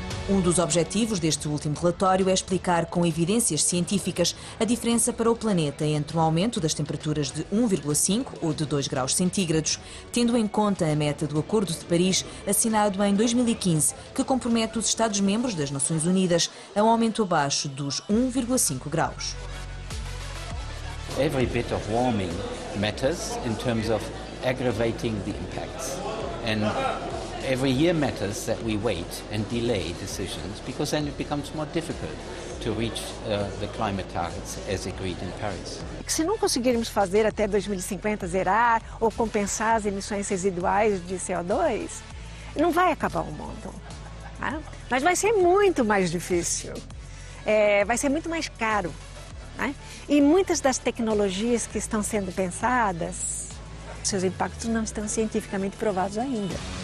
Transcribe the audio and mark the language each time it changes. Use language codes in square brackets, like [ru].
[pt] Um dos objetivos deste último relatório é explicar com evidências científicas a diferença para o planeta entre um aumento das temperaturas de 1,5 ou de 2 graus centígrados, tendo em conta a meta do Acordo de Paris, assinado em 2015, que compromete os Estados-membros das Nações Unidas a um aumento abaixo dos 1,5 graus. [en] Every bit of warming matters in terms of aggravating the impacts. And Every year matters that we wait and delay decisions because then it becomes more difficult to reach the climate targets as agreed in Paris. [pt] Se não conseguirmos fazer até 2050 zerar ou compensar as emissões residuais de CO2, não vai acabar o mundo. Tá? Mas vai ser muito mais difícil. Vai ser muito mais caro. Né? E muitas das tecnologias que estão sendo pensadas, seus impactos não estão cientificamente provados ainda.